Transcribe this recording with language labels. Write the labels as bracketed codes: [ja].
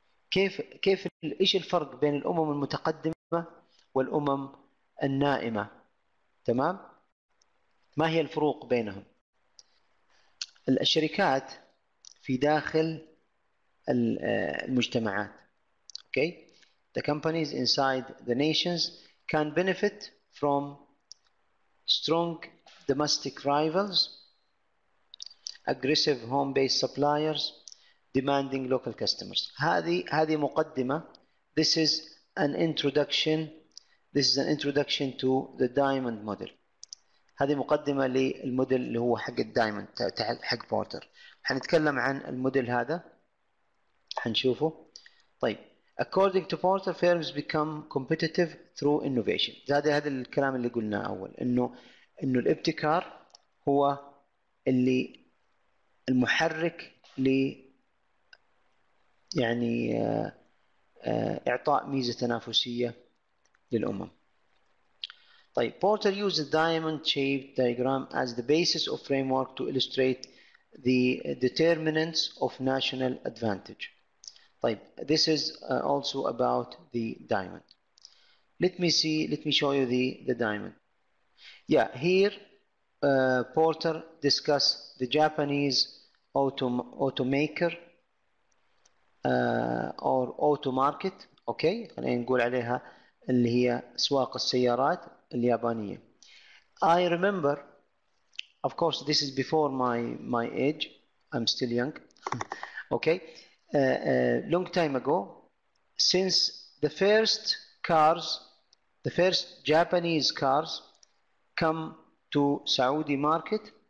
[ar] كيف إيش الفرق بين الأمم المتقدمة والأمم النائمة, تمام؟ ما هي الفروق بينهم؟ الشركات في داخل المجتمعات, [en] okay, the companies inside the nations can benefit from strong domestic rivals, aggressive home-based suppliers, demanding local customers. [ar] هذه مقدمة. [en] This is an introduction. This is an introduction to the diamond model. [ar] هذه مقدمة للموديل اللي هو حق الدايموند, حق بورتر. حنتكلم عن الموديل هذا, حنشوفه. [en] طيب, according to Porter, firms become competitive through innovation. [ar] هذا الكلام اللي قلناه أول, إنه الابتكار هو اللي المحرك ل يعني إعطاء ميزة تنافسية للأمم. [en] طيب, Porter used a diamond-shaped diagram as the basis of framework to illustrate the determinants of national advantage. طيب, this is also about the diamond. Let me show you the diamond. Yeah, here Porter discussed the Japanese automaker or auto market. [ar] Okay, خلينا نقول عليها اللي هي أسواق السيارات اليابانية. [en] I remember, of course, this is before my age. I'm still young. Okay, long time ago, since the first cars, the first Japanese cars, come to Saudi market.